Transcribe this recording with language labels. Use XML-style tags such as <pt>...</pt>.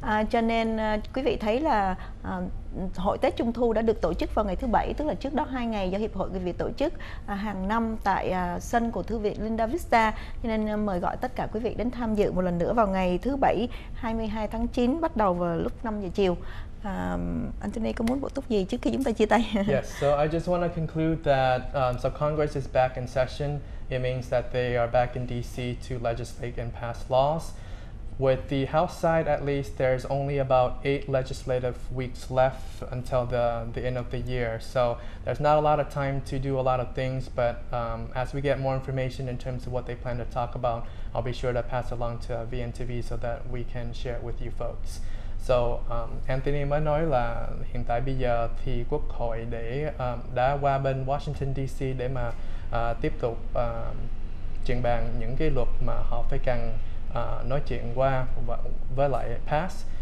<vi>Cho nên quý vị thấy là hội Tết Trung Thu đã được tổ chức vào ngày thứ bảy, tức là trước đó 2 ngày do Hiệp hội Người Việt tổ chức hàng năm tại sân của Thư viện Linda Vista. Cho nên mời gọi tất cả quý vị đến tham dự một lần nữa vào ngày thứ bảy 22 tháng 9 bắt đầu vào lúc 5 giờ chiều. Anthony có muốn bổ túc gì trước khi chúng ta chia tay?</vi> <en>Yes, so I just want to conclude that so Congress is back in session. It means that they are back in DC to legislate and pass laws. With the House side, at least, there's only about 8 legislative weeks left until the end of the year. So there's not a lot of time to do a lot of things, but as we get more information in terms of what they plan to talk about, I'll be sure to pass along to VNTV so that we can share it with you folks.</en> <vi>So Anthony mới nói là hiện tại bây giờ thì Quốc hội để đã qua bên Washington DC để mà tiếp tục trình bàn những cái luật mà họ phải cần nói chuyện qua với lại pass.</vi>